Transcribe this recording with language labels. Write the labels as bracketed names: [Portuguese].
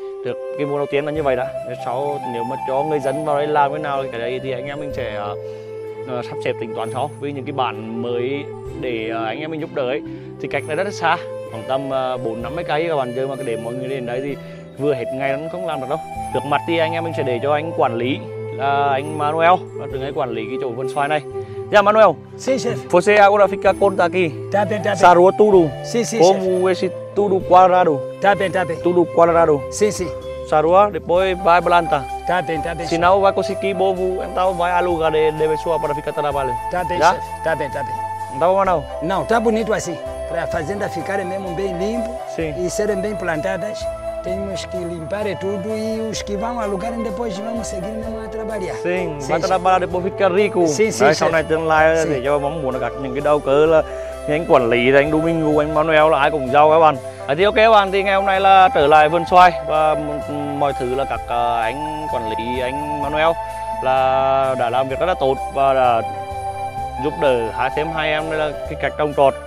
[Vietnamese] Được cái mùa đầu tiên là như vậy đã. Sau nếu mà cho người dân vào đây làm thế nào cái đấy thì anh em mình sẽ sắp xếp tính toán sau. Vì những cái bản mới để anh em mình giúp đỡ ấy, thì cách này rất là xa. Khoảng tầm 4-50 cây các bạn chơi mà để mọi người đến đấy thì vừa hết ngày nó không làm được đâu. Được mặt thì anh em mình sẽ để cho anh quản lý là anh Manuel, là từng ấy quản lý cái chỗ vườn xoài này. Dạ Manuel. [Portuguese] Sì, chef. Você agora fica conta aqui. Tá bem, tá bem. Sarua tudo. Sì, sì, como chef. Esse tudo quadrado. Tá bem, tá bem. Tudo quadrado. Sì, sì. Sarua, depois vai plantar. Tá bem, tá bem. Se não vai conseguir bovo, então vai alugar de pessoa para ficar trabalho. Tá bem, já? Chef. Tá bem, tá bem. Tá bom, Manuel? Não, tá bonito assim. Para a fazenda ficar mesmo bem limpo. Sim. E serem bem plantadas, temos que limpar tudo e os que vão alugar depois vamos seguir mesmo. Sim, sim, vai trabalhar depois fica rico. Sim, sim, [Vietnamese] sau này tương lai sim. Để cho mong muốn gặp những cái đầu cơ là anh quản lý, anh Domingo, anh Manuel là ai cũng giàu các bạn. À, thì ok các bạn, thì ngày hôm nay là trở lại vườn xoài và mọi thứ là các anh quản lý, anh Manuel là đã làm việc rất là tốt và đã giúp đỡ hai thêm hai em là cái cách trồng trọt.